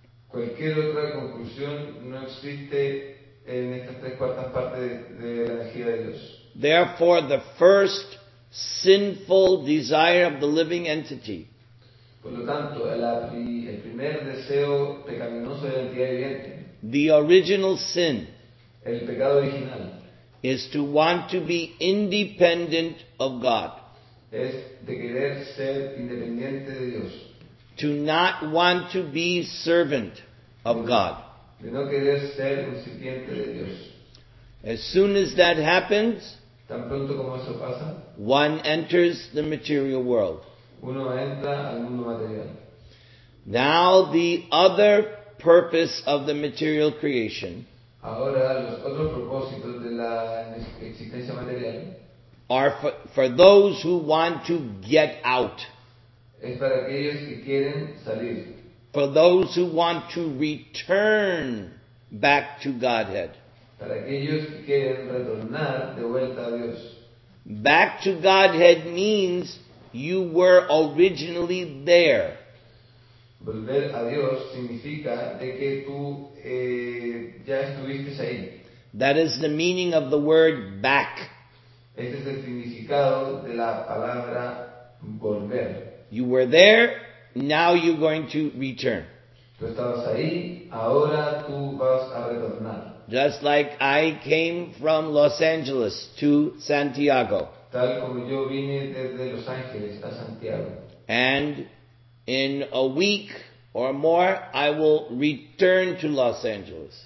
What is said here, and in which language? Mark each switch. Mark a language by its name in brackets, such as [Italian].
[Spanish] Cualquier otra conclusión no existe en estas tres cuartas partes de la energía de Dios. [English] Therefore, the first sinful desire of the living entity. [Spanish] Por lo tanto, el primer deseo pecaminoso de la entidad viviente. [English] The original sin. [Spanish] El pecado original. [English] Is to want to be independent of God. [Spanish] Es de querer ser independiente de Dios. [English] To not want to be servant of God. [Spanish] De no querer ser un sirviente de Dios. [English] As soon as that happens, [Spanish] tan pronto como eso pasa, [English] one enters the material world. [Spanish] Uno entra al mundo material. [English] Now the other purpose of the material creation. [Spanish] Ahora, los otros propósitos de la existencia material [English] are for those who want to get out. [Spanish] Es para aquellos que quieren salir. [English] For those who want to return back to Godhead. [Spanish] Para aquellos que quieren retornar de vuelta a Dios. [English] Back to Godhead means you were originally there. [Spanish] Volver a Dios significa de que tú ya estuviste ahí. [English] That is the meaning of the word back. [Spanish] Ese es el significado de la palabra volver. [English] You were there, now you're going to return. [Spanish] Tú estabas ahí, ahora tú vas a retornar. [English] Just like I came from Los Angeles to Santiago. [Spanish] tal como yo vine desde Los Ángeles a Santiago. [English] And in a week or more, I will return to Los Angeles.